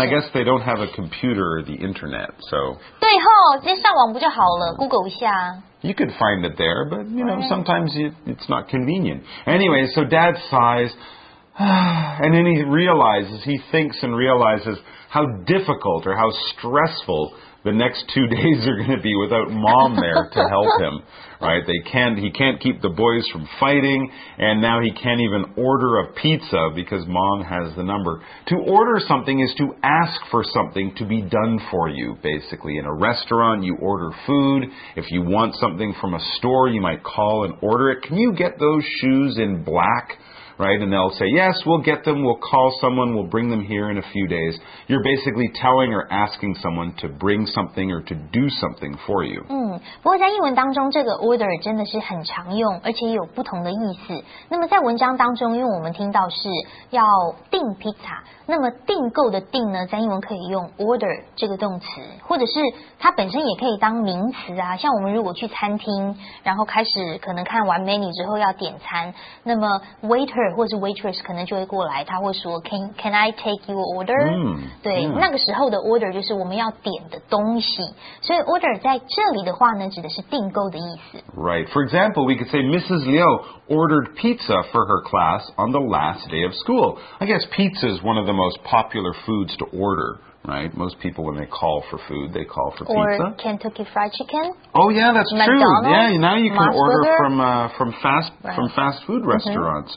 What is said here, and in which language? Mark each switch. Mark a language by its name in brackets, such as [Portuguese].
[English] I guess they don't have a computer or the internet, so. [Chinese] 对哦，直接上网不就好了， Google 一下。 [English] You could find it there, but, you know, sometimes it's not convenient. Anyway, so Dad sighs, and then he thinks and realizes how difficult or how stressful the next 2 days are going to be without Mom there to help him, right? He can't keep the boys from fighting, and now he can't even order a pizza because Mom has the number. To order something is to ask for something to be done for you, basically. In a restaurant, you order food. If you want something from a store, you might call and order it. Can you get those shoes in black? Right, and they'll say, yes, we'll get them, we'll call someone, we'll bring them here in a few days. You're basically telling or asking someone to bring something or to do something for you. [Chinese] 不过在英文当中这个 order 真的是很常用, 而且也有不同的意思。那么在文章当中因为我们听到是要订 pizza, 那么订购的订呢, 在英文可以用 order 这个动词, 或者是它本身也可以当名词啊, 像我们如果去餐厅, 然后开始可能看完 menu 之后要点餐, 那么 waiter 或是 waitress 可能就会过来, 他会说, [English] can I take your order? [Chinese] 对, 那个时候的 order 就是我们要点的东西, 所以 order 在这里的话呢, 指的是订购的意思。 [English] Right, for example, we could say Mrs. Liu ordered pizza for her class on the last day of school. I guess pizza is one of the most popular foods to order. Right? Most people, when they call for food, they call for or pizza. Or Kentucky Fried Chicken. Oh, yeah, that's McDonald's, true. Yeah, now you can order from fast food restaurants,